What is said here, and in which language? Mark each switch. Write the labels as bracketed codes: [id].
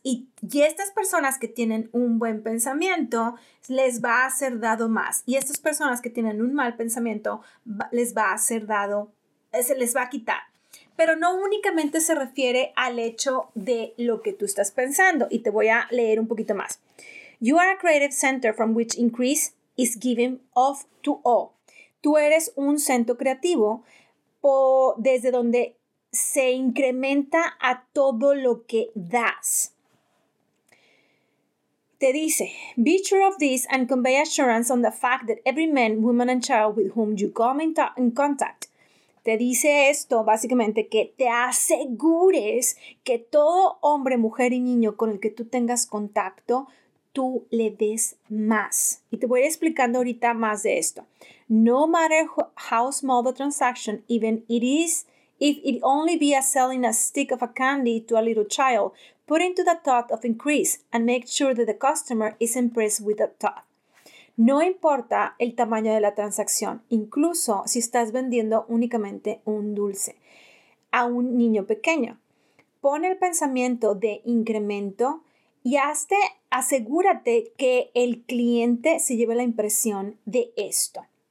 [es] Y estas personas que tienen un buen pensamiento les va a ser dado más. Y estas personas que tienen un mal pensamiento se les va a quitar. Pero no únicamente se refiere al hecho de lo que tú estás pensando. Y te voy a leer un poquito más. [en] You are a creative center from which increase is given off to all. [es] Tú eres un centro creativo desde donde se incrementa a todo lo que das. Te dice, [en] be sure of this and convey assurance on the fact that every man, woman and child with whom you come in contact. [es] Te dice esto básicamente que te asegures que todo hombre, mujer y niño con el que tú tengas contacto, tú le des más. Y te voy a ir explicando ahorita más de esto. [en] No matter how small the transaction, even it is, if it only be as selling a stick of a candy to a little child, put into the thought of increase and make sure that the customer is impressed with the thought. [es] No importa el tamaño de la transacción, incluso si estás vendiendo únicamente un dulce a un niño pequeño. Pon el pensamiento de incremento y asegúrate que el cliente se lleve la impresión de esto.